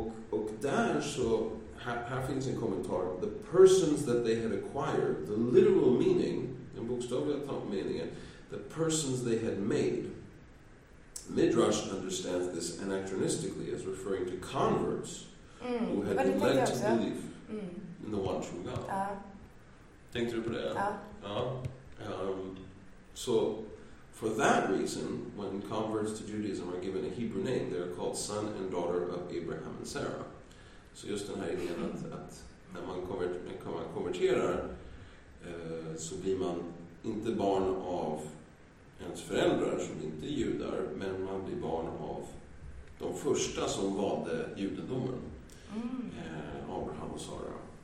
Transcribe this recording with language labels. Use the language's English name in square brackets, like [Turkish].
[Swedish] Och där så här finns en kommentar. [English] The persons that they had acquired, the literal meaning, [Swedish] den bokstavliga meningen, [English] the persons they had made. Midrash understands this anachronistically as referring to converts who had been led to believe in the one true God. [Swedish] Tänkte du på det? Ja. [English] So, for that reason, when converts to Judaism are given a Hebrew name, they are called son and daughter of Abraham and Sarah. [Swedish] Så just den här idén att när man konverterar så blir man inte barn av ens föräldrar som inte är judar, men man blir barn av de första som valde judendomen, Abraham och Sarah.